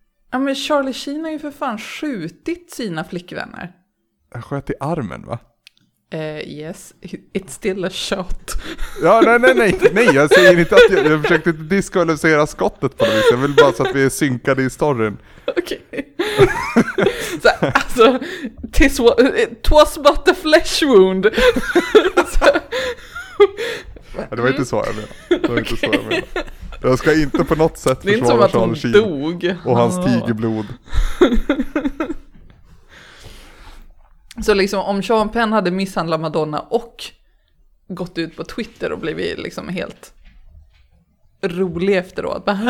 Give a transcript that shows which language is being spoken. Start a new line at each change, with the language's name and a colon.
Swedish: Ja, men Charlie Sheen har ju för fan skjutit sina flickvänner. Han sköt i armen, va?
English: Yes, it's still a shot.
Swedish: Ja, nej, jag säger inte att jag försökte inte diskvalificera skottet på det viset. Jag vill bara så att vi är synkade i storyn. Okej.
English: Okay.
Swedish: Alltså,
English: it was but a flesh wound.
Swedish: Ja, det var inte så jag menade. Jag ska inte på något sätt försvara Charles Sheen. Det är inte som att hon dog. Och hans tigerblod. Så liksom om Sean Penn hade misshandlat Madonna och gått ut på Twitter och blivit liksom helt rolig efteråt.